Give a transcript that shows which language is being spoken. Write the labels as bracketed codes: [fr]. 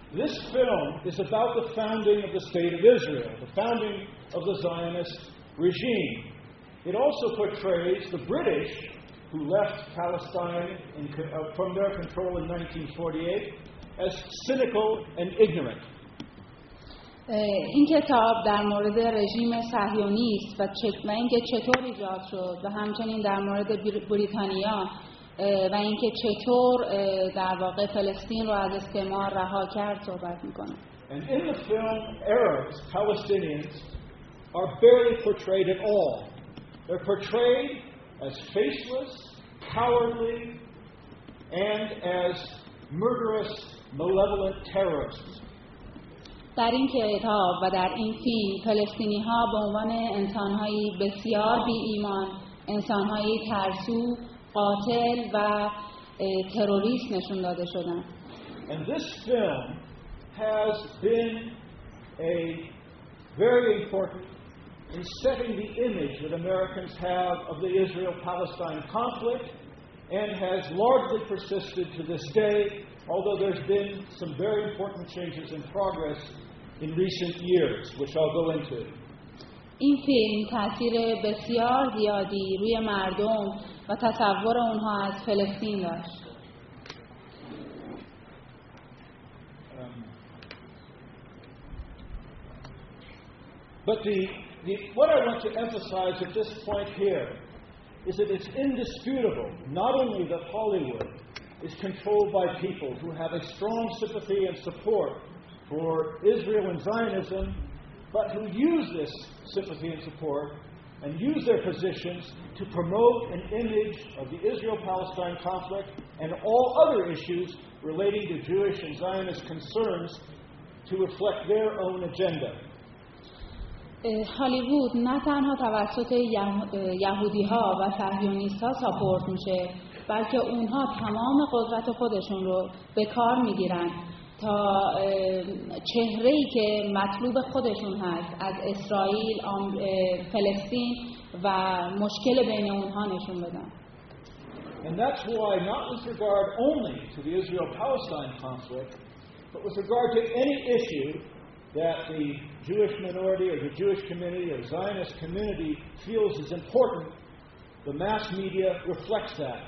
[en] This film is about the founding of the state of Israel, the founding of the Zionist regime. It also portrays the British who left Palestine in from their control in 1948 as cynical and ignorant. [fa] این کتاب در مورد رژیم صهیونیست و اینکه چطور ایجاد شد و همچنین در مورد بریتانیا و اینکه چطور در واقع فلسطین رو از استعمار رها کرد صحبت میکنه. [en] And in the film, Arabs, Palestinians, are barely portrayed at all. They're portrayed as faceless, cowardly, and as murderous, malevolent terrorists. [fa] در این کتاب و در این فیلم فلسطینی ها به عنوان انسان های بسیار بی ایمان، انسان های ترسو، قاتل و تروریست نشون داده شدن. [en] And this film has been a very important in setting the image that Americans have of the Israel-Palestine conflict and has largely persisted to this day, although there's been some very important changes in progress in recent years, which I'll go into. [fa] این فیلم تاثیر بسیار زیادی روی مردم و تصور اونها از فلسطین داشت. [en] But the what I want to emphasize at this point here is that it's indisputable not only that Hollywood is controlled by people who have a strong sympathy and support for Israel and Zionism, but who use this sympathy and support and use their positions to promote an image of the Israel-Palestine conflict and all other issues relating to Jewish and Zionist concerns to reflect their own agenda. [fa] هالیوود نه تنها توسط یهودی‌ها و صهیونیست‌ها ساپورت میشه، بلکه اونها تمام قدرت خودشون رو به کار میگیرن تا چهره‌ای که مطلوب خودشون هست از اسرائیل، فلسطین و مشکل بین اونها نشون بدن. [en] And that's why not with regard only to the Israel-Palestine conflict, but with regard to any issue that the Jewish minority or the Jewish community or Zionist community feels is important, the mass media reflects that.